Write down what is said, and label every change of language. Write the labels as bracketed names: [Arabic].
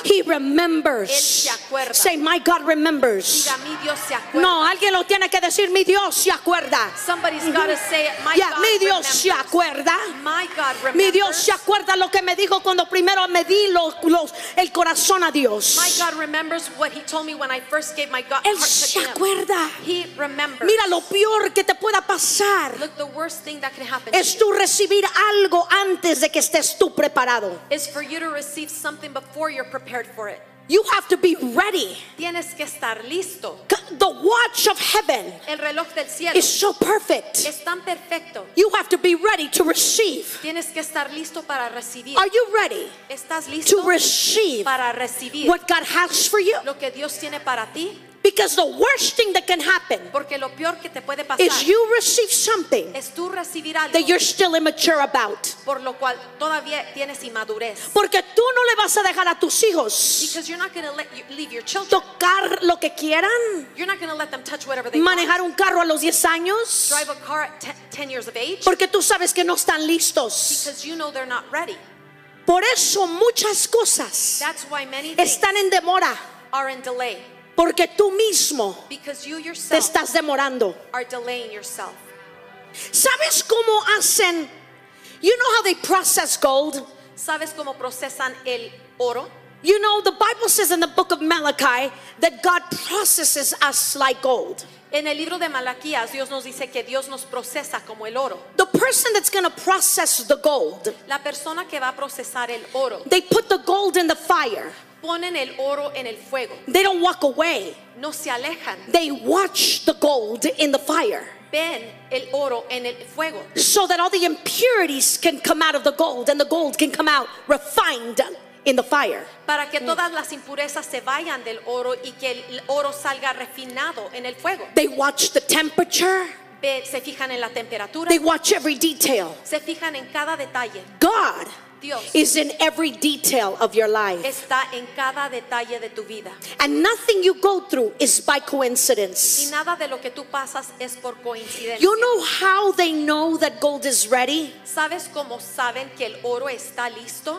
[English] He remembers. [Spanish] Él se acuerda. [English] Say, my God remembers. [Spanish] Diga, mi Dios se acuerda. No, alguien lo tiene que decir, mi Dios se acuerda. [English] Somebody's mm-hmm. gotta say it. My yeah, God [Spanish] mi Dios [English] remembers. [Spanish] Se acuerda. [English] My God remembers. [Spanish] Mi Dios se acuerda lo que me dijo cuando primero me di el corazón a Dios. [English] My God remembers what he told me when I first gave my God [Spanish] Él [English] heart to [Spanish] se acuerda. [English] Him. He remembers. [Spanish] Mira lo peor que te pueda pasar. [English] Look, the worst thing that can happen [Spanish] es tú recibir algo antes de que estés tú preparado. [English] Is for you to receive something before you're prepared for it. You have to be ready. [Spanish] Tienes que estar listo. [English] The watch of heaven, [Spanish] el reloj del cielo, [English] is so perfect. [Spanish] Es tan perfecto. [English] You have to be ready to receive. [Spanish] Tienes que estar listo para recibir. [English] Are you ready? [Spanish] Estás listo [English] to receive [Spanish] para recibir [English] what God has for you? [Spanish] Lo que Dios tiene para ti. [English] Because the worst thing that can happen, [Spanish] porque lo peor que te puede pasar, [English] is you receive something, [Spanish] es tú recibir algo, [English] that you're still immature about, [Spanish] por lo cual todavía tienes inmadurez, porque tú no le vas a dejar a tus hijos, [English] because you're not going to let you leave your children, [Spanish] tocar lo que quieran, [English] you're not going to let them touch whatever they [Spanish] manejar manejar un carro a los 10 años, [English] drive a car at 10 years of age, [Spanish] porque tú sabes que no están listos, [English] because you know they're not ready. [Spanish] Por eso muchas cosas, [English] that's why many things [Spanish] están en demora, [English] are in delay. [Spanish] Porque tú mismo, [English] because you yourself, [Spanish] te estás demorando. [English] Are delaying yourself. [Spanish] ¿Sabes cómo hacen? [English] You know how they process gold? [Spanish] ¿Sabes cómo procesan el oro? [English] You know, the Bible says in the book of Malachi that God processes us like gold. [Spanish] En el libro de Malaquías, Dios nos dice que Dios nos procesa como el oro. [English] The person that's going to process the gold, [Spanish] la persona que va a procesar el oro, [English] they put the gold in the fire. [Spanish] Ponen el oro en el fuego. [English] They don't walk away. [Spanish] No se alejan. [English] They watch the gold in the fire. [Spanish] Ven el oro en el fuego. [English] So that all the impurities can come out of the gold and the gold can come out refined in the fire. [Spanish] Para que todas las impurezas se vayan del oro y que el oro salga refinado en el fuego. [English] They watch the temperature. [Spanish] Se fijan en la temperatura. [English] They watch every detail. [Spanish] Se fijan en cada detalle. [English] God [Spanish] Dios [English] is in every detail of your life. [Spanish] Está en cada detalle de tu vida. [English] And nothing you go through is by coincidence. [Spanish] Y nada de lo que tú pasas es por coincidencia. [English] You know how they know that gold is ready? [Spanish] ¿Sabes cómo saben que el oro está listo?